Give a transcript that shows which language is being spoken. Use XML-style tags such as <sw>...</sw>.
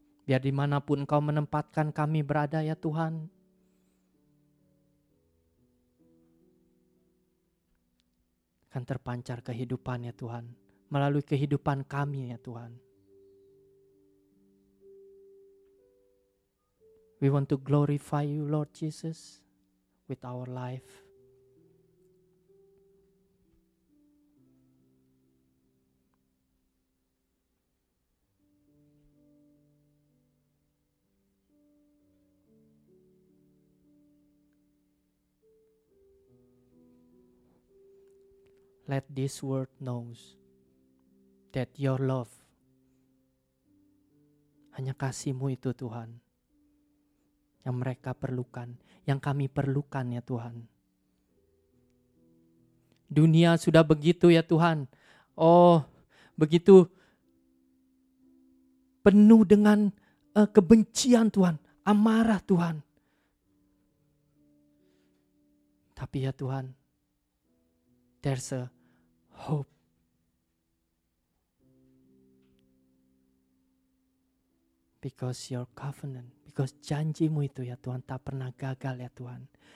<id>Biar dimanapun Engkau menempatkan kami berada, ya Tuhan, akan terpancar kehidupan, ya Tuhan, melalui kehidupan kami, ya Tuhan.</id> <en>We want to glorify you, Lord Jesus, with our life. Let this world know that your love,</en> <id>hanya kasih-Mu itu, Tuhan, yang mereka perlukan, yang kami perlukan, ya Tuhan. Dunia sudah begitu, ya Tuhan. Oh, begitu penuh dengan kebencian, Tuhan, amarah, Tuhan. Tapi ya Tuhan,</id> <en>there's a hope. Because your covenant, because</en> <id>janji-Mu itu, ya Tuhan, tak pernah gagal, ya Tuhan.</id>